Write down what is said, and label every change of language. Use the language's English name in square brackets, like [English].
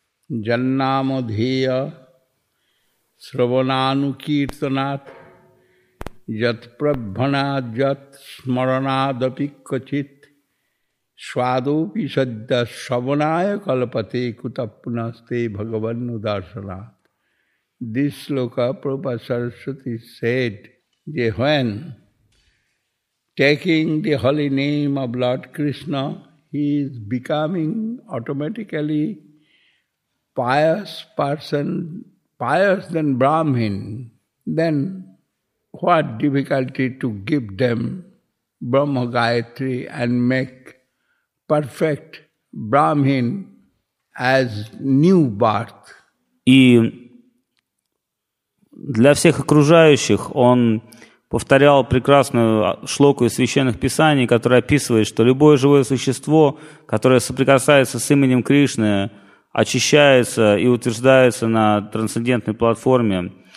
[Sanskrit] Джаннамадхия сраванану киртанат ят прабханат ят смаранат апикачит свадо писадда сраваная калпате кутаппунасте бхагаванну даршанат. [English] This sloka Prabhupada Saraswati said that when taking the holy name of Lord Krishna, he is becoming automatically pious person, pious than Brahmin, then what difficulty to give them Brahma Gayatri and make perfect Brahmin as new birth. [Russian] Для всех окружающих он повторял прекрасную шлоку из священных писаний, которая описывает, что любое живое существо, которое соприкасается с именем Кришны, очищается и утверждается на трансцендентной платформе.